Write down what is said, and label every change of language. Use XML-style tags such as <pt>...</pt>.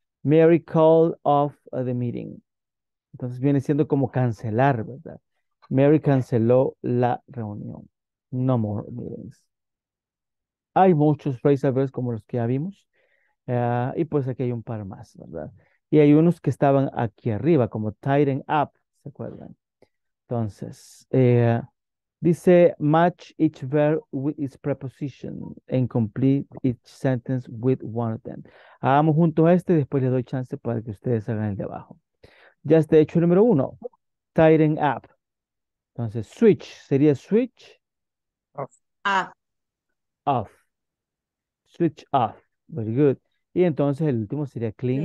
<en>Mary called off the meeting.</en> <es>Entonces viene siendo como cancelar, ¿verdad? Mary canceló la reunión.</es> <en>No more meetings.</en> <es>Hay muchos phrasal verbs como los que ya vimos. Y pues aquí hay un par más, ¿verdad? Y hay unos que estaban aquí arriba, como tighten up, ¿se acuerdan? Entonces, dice</es> <en>match each verb with its preposition and complete each sentence with one of them.</en> <es>Hagamos juntos este y después le doy chance para que ustedes hagan el de abajo. Ya está hecho el número uno. Tighten up. Entonces, switch. ¿Sería switch?</es> <en>Off. Off. Switch off. Very good.</en> <es>Y entonces el último sería clean.</es>